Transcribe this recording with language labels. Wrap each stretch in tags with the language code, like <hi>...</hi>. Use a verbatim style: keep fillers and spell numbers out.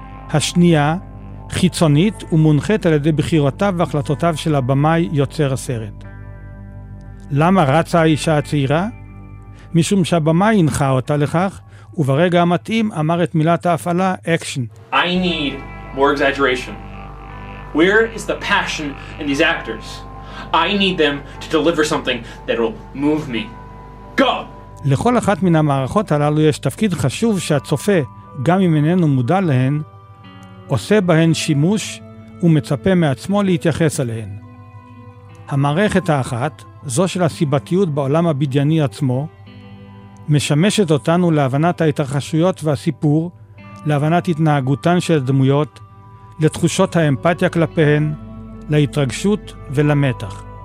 <he>השנייה, חיצונית ומונחת על ידי בחירותיו והחלטותיו של הבמאי יוצר הסרט. למה רצה האישה הצעירה? משום שהבמאי הנחה אותה לכך, וברגע המתאים אמר את מילת ההפעלה, action.</he> <en>I need more exaggeration. Where is the passion in these actors? I need them to deliver something that will move me. Go!</en> <he>לכל אחת מן המערכות הללו יש תפקיד חשוב שהצופה, גם אם איננו מודע להן, עושה בהן שימוש ומצפה מעצמו להתייחס אליהן. המערכת האחת, זו של הסיבתיות בעולם הבדייני עצמו, משמשת אותנו להבנת ההתרחשויות והסיפור, להבנת התנהגותן של דמויות, לתחושות האמפתיה כלפיהן, להתרגשות ולמתח.</he>